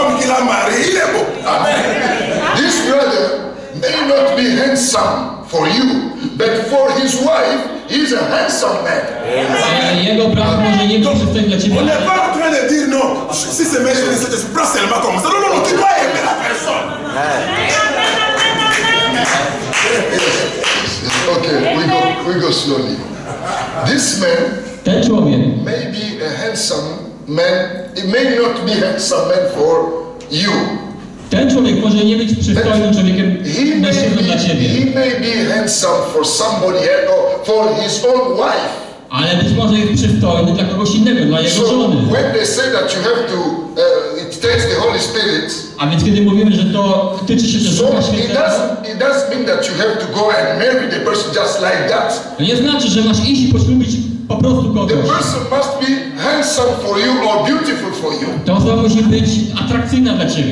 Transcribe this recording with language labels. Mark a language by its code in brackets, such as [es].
[en] This brother may not be handsome for you, but for his wife, he's a handsome man. [pl] Jego brat może nie być przystojny dla ciebie. [fr] On n'est pas en train de dire non, si c'est mes chers, c'est pas seulement comme ça. Non, non, non, tu dois aimer la personne. [en] Okay, we go slowly. This man, [pl] ten człowiek, [en] may be a handsome man. It may not be handsome man for you. [pl] Ten człowiek może nie być przystojnym człowiekiem, mężczyzną dla ciebie. [en] He may be handsome for somebody else, for his own wife. [pl] Ale być może jest przystojny dla kogoś innego, dla jego żony. [en] When they say that you have to, it takes the Holy Spirit. [pl] A więc kiedy mówimy, że to tyczy się też Ducha [en] Świętego, it doesn't mean that you have to go and marry the person just like that. [pl] To nie znaczy, że masz iść i poślubić po prostu kogoś. [en] The person must be handsome for you or beautiful for you. [pl] Ta osoba musi być atrakcyjna dla ciebie.